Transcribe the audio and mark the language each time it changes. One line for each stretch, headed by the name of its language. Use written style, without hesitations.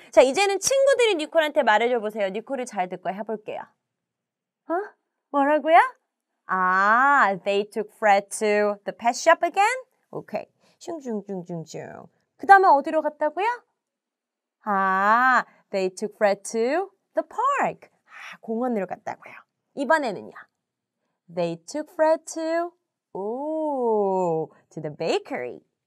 Korean: 자, 이제는 친구들이 니콜한테 말해줘 보세요. 니콜을 잘 듣고 해볼게요. 어? 뭐라고요? 아,
English: they took Fred to the pet shop again? Okay. 슝슝슝슝슝.
Korean: 그 다음에 어디로 갔다고요? 아,
English: they took Fred to the park.
Korean: 아, 공원으로 갔다고요. 이번에는요?
English: They took Fred to, to the bakery.